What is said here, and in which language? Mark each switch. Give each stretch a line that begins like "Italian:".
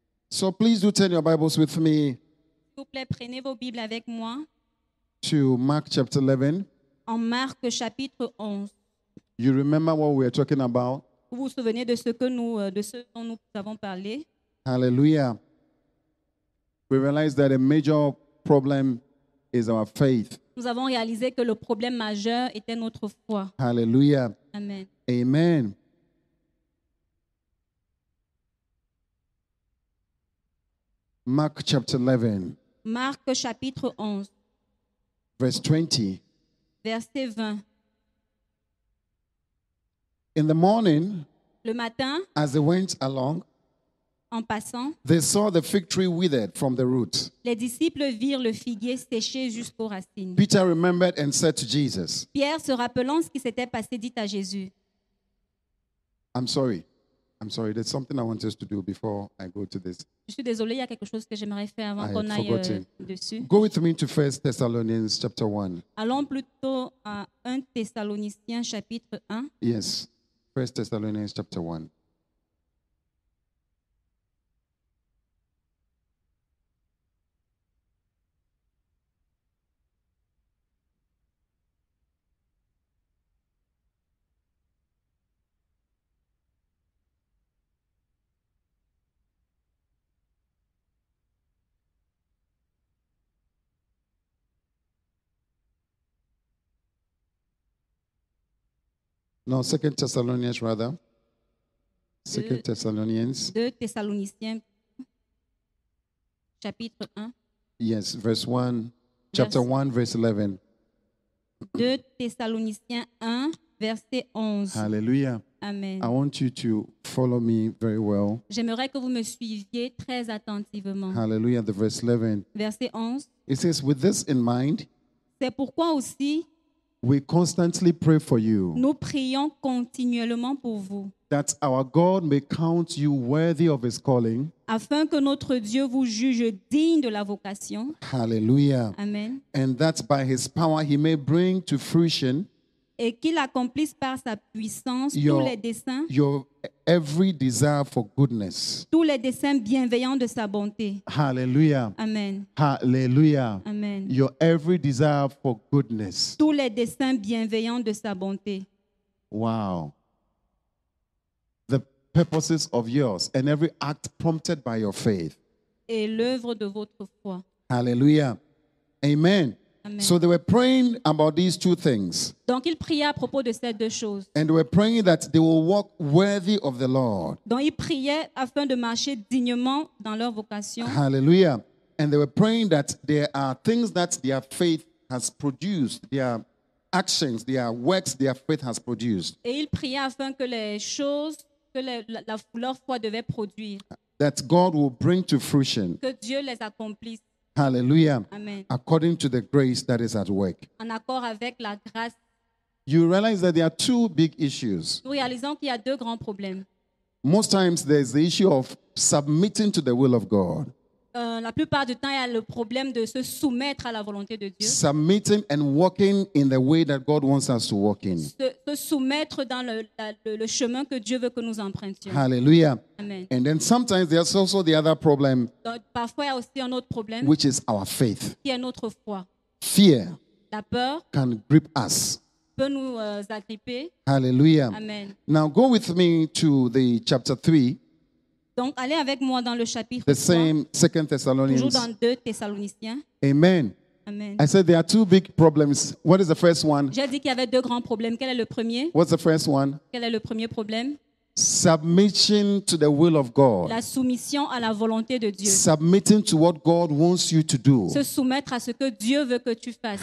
English: So please do turn your Bibles with me.
French: S'il vous plaît, prenez vos Bibles avec moi.
English: To Mark chapter 11.
French: En Marc chapitre 11.
English: You remember what we are talking about?
French: Vous vous souvenez de ce que nous, de ce dont nous avons parlé?
English: Hallelujah. We realize that a major problem is our faith.
French: Nous avons réalisé que le problème majeur était notre foi.
English: Hallelujah. Amen. Amen. Mark chapter 11.
French: Marc chapitre 11.
English: Verse 20.
French: Verset 20.
English: In the morning,
French: le matin,
English: as they went along,
French: en passant,
English: they saw the fig tree withered from the root.
French: Les disciples virent le figuier séché jusqu'aux racines.
English: Peter remembered and said to Jesus.
French: Pierre, se rappelant ce qui s'était passé, dit à Jésus.
English: I'm sorry. There's something I want us to do before I go to this.
French: Je suis désolé, il y a quelque chose que j'aimerais faire avant qu'on aille dessus.
English: Go with me to 1 Thessalonians chapter 1.
French: Allons plutôt à 1 Thessaloniciens chapitre 1.
English: Yes. 1 Thessalonians chapter 1. No, 2 Thessalonians rather. 2 Thessalonians.
French: 2 Thessaloniciens, chapitre 1.
English: Yes, verse 1. Chapter 1, verse 11.
French: 2 Thessaloniciens 1, verset 11.
English: Hallelujah. Amen. I want you to follow me very well.
French: J'aimerais que vous me suiviez très attentivement.
English: Hallelujah, the verse 11.
French: Verset 11.
English: It says, with this in mind,
French: c'est pourquoi aussi,
English: we constantly pray for you.
French: Nous prions continuellement pour vous.
English: That our God may count you worthy of his calling.
French: Afin que notre Dieu vous juge digne de la vocation.
English: Hallelujah. Amen. And that by his power he may bring to fruition.
French: Et qu'il accomplisse par sa puissance tous les desseins.
English: Your every desire for goodness.
French: Tous les desseins bienveillants de sa bonté.
English: Hallelujah. Amen. Hallelujah. Amen. Your every desire for goodness.
French: Tous les desseins bienveillants de sa bonté.
English: Wow. The purposes of yours and every act prompted by your faith.
French: Et l'œuvre de votre foi.
English: Hallelujah. Amen. Amen. So they were praying about these two things.
French: Donc ils priaient à propos de ces deux choses.
English: And they were praying that they will walk worthy of the Lord.
French: Donc ils priaient afin de marcher dignement dans leur vocation.
English: Hallelujah. And they were praying that there are things that their faith has produced, their actions, their works, their faith has produced.
French: Et ils priaient afin que les choses que leur foi devait produire.
English: That God will bring to fruition.
French: Que Dieu les accomplisse.
English: Hallelujah. Amen. According to the grace that is at work.
French: En accord avec la grâce.
English: You realize that there are two big issues.
French: Nous réalisons qu'il y a deux grands problèmes.
English: Most times there's the issue of submitting to the will of God.
French: La plupart du temps, il y a le problème de se soumettre à la volonté de Dieu.
English: Submitting and walking in the way that God wants us to walk in.
French: Se soumettre dans le chemin que Dieu veut que nous empruntions.
English: Hallelujah. Amen. And then sometimes there's also the other problem.
French: Donc, parfois, il y a aussi un autre problème.
English: Which is our faith.
French: Qui est notre foi.
English: Fear.
French: La peur.
English: Can grip us.
French: Peut nous agripper.
English: Hallelujah. Amen. Now go with me to the chapter 3.
French: Donc, allez avec moi dans le chapitre
English: the same 2 Thessalonians.
French: Toujours dans 2 Thessaloniciens.
English: Amen. Amen. I said there are two big problems. What is the first one?
French: J'ai dit qu'il y avait deux grands problèmes. Quel est le premier?
English: What's the first one?
French: Quel est le premier problème?
English: Submission to the will of God.
French: La soumission à la volonté de Dieu.
English: Submitting to what God wants you to do.
French: Se soumettre à ce que Dieu veut que tu fasses.